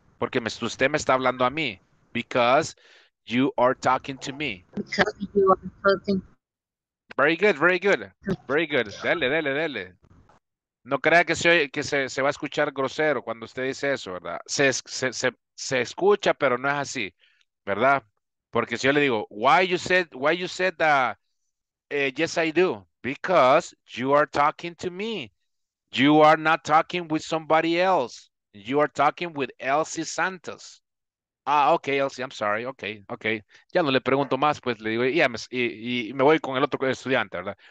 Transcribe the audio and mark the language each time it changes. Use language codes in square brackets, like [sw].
[es] Porque usted me está hablando a mí. [en] Because you are talking to me. Very good. Dele. [es] No crea que se va a escuchar grosero cuando usted dice eso, ¿verdad? Se escucha, pero no es así, ¿verdad? Porque si yo le digo, [en] why you said that, yes, I do? Because you are talking to me. You are not talking with somebody else. You are talking with Elsie Santos. Ah, ok, Elsie, I'm sorry, ok, ok. [es] Ya no le pregunto más, pues le digo, y me voy con el otro estudiante, ¿verdad?